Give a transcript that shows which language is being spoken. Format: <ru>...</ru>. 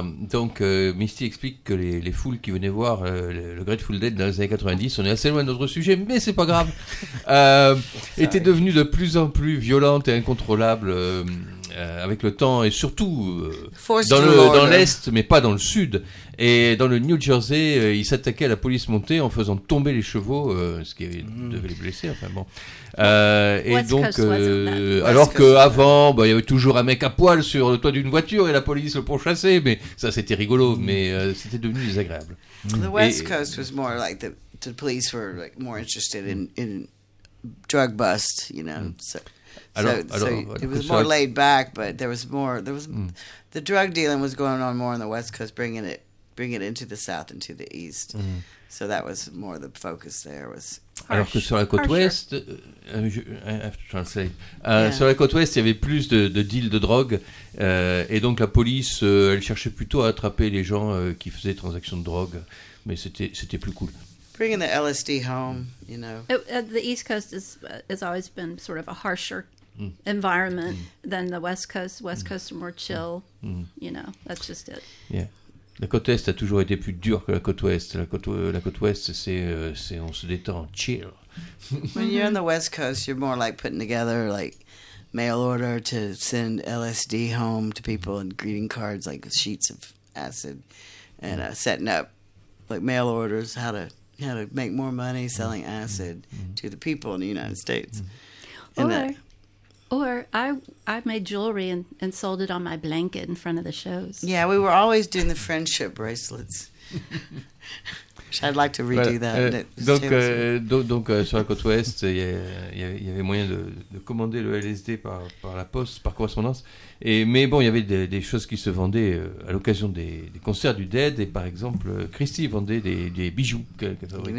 <fr>Donc, Misty explique que les foules qui venaient voir le Grateful Dead dans les années 90, on est assez loin de notre sujet, mais c'est pas grave, étaient devenues de plus en plus violentes et incontrôlables avec le temps, et surtout dans l'Est, mais pas dans le Sud. Et dans le New Jersey, ils s'attaquaient à la police montée en faisant tomber les chevaux, ce qui devait les blesser. Enfin bon. Avant, il y avait toujours un mec à poil sur le toit d'une voiture et la police le pourchassait. Mais ça, c'était rigolo, mais c'était devenu désagréable.</fr> <en>The West Coast was more like the police were like more interested in drug bust, you know. It was more laid back, but the drug dealing was going on more on the West Coast, bringing it into the South and to the East. Mm. So that was more the focus there was.</en> <fr>Alors que sur la côte ouest,</fr> <en>I have to translate.</en> <fr>Sur la côte ouest, il y avait plus de deals de drogue, et donc la police, elle cherchait plutôt à attraper les gens qui faisaient transactions de drogue, mais c'était plus cool.</fr> <en>Bringing the LSD home, you know. The East Coast has always been sort of a harsher environment than the West Coast. West Coast are more chill, you know. That's just it. Yeah.</en> <fr>La côte est a toujours été plus dure que la côte ouest. La côte ouest, c'est on se détend, chill.</fr> <en>When you're on the West Coast, you're more like putting together like mail order to send LSD home to people and greeting cards like sheets of acid and setting up like mail orders how to make more money selling acid to the people in the United States. Or I made jewelry and sold it on my blanket in front of the shows. Yeah, we were always doing the friendship bracelets. I'd like to redo voilà. that.</en> <fr>Donc, sur la côte ouest, il y avait moyen de commander le LSD par la poste, par correspondance. Mais bon, il y avait des choses qui se vendaient à l'occasion des concerts du Dead. Et par exemple, Christy vendait des bijoux qu'elle fabriquait.</fr>